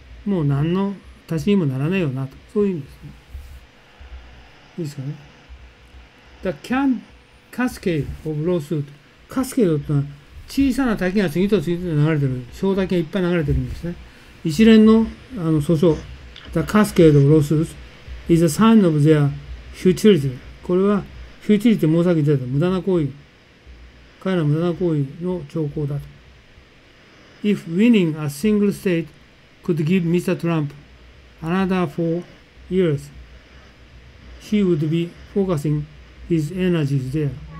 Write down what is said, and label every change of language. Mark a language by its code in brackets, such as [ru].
[ja] もう何の足しにもならないよなと。そういう意味ですね。いいですかね。 [en] The can cascade of lawsuit。 [ja] カスケードってのは小さな滝が次と次と流れてる。小滝がいっぱい流れてるんですね。一連の、訴訟。 [en] The cascade of lawsuits is a sign of their futility。 [ja] これは、フューチリティ申し上げてた。無駄な行為。彼ら無駄な行為の兆候だと。 [en] If winning a single state could give Mr. Trump another 4 years, he would be focusing his energies there.